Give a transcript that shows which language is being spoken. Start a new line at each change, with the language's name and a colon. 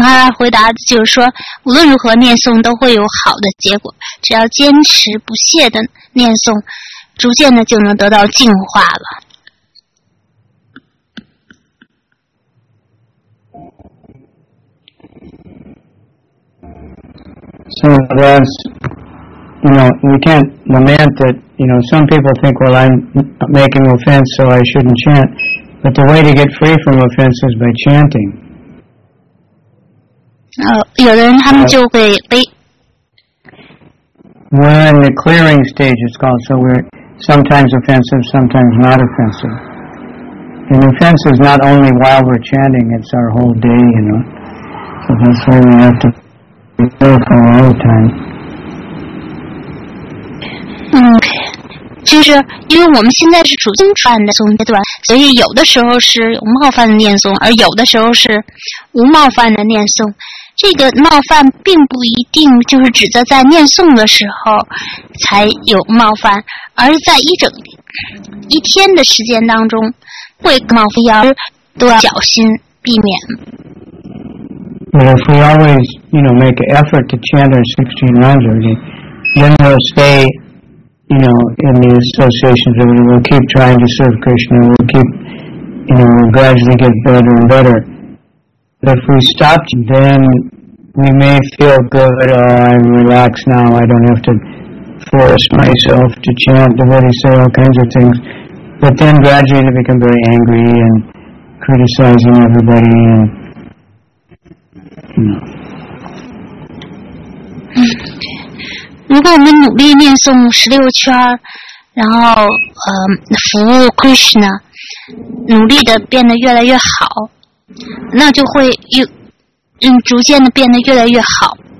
Chinese: 他回答就是说，无论如何念诵都会有好的结果，只要坚持不懈的念诵。逐渐的就能得到净化了。
English: So that's, you know, we can't lament that, you know, some people think, well, I'm making offense, so I shouldn't chant. But the way to get free from offense is by chanting.
Chinese: 有的人他们就会被。
English: We're in the clearing stage, it's called, so we're. Sometimes offensive, sometimes not offensive. And offense is not only while we're chanting, it's our whole day, you know. So that's why we have to be careful all the time. Okay.
Chinese: 就是因为我们现在是处于侵犯的宗阶段，所以有的时候是有冒犯的念诵，而有的时候是无冒犯的念诵。这个冒犯并不一定就是指的在念诵的时候才有冒犯，而在一整一天的时间当中会冒犯，要都要小心避免。
English: But if we always, you know, make an effort to chant our 16 rounds every day, then we'll stay, you know, in the associations, and we'll keep trying to serve Krishna, and we'll keep, you know, we'll gradually get better and better. But if we stop, then we may feel good, oh, I'm relaxed now, I don't have to force myself to chant, the way they say all kinds of things. But then gradually they become very angry and criticizing everybody and,
Chinese: 嗯，如果我们努力念诵十六圈，然后服务 Krishna， 努力的变得越来越好，那就会逐渐的变得越来越好。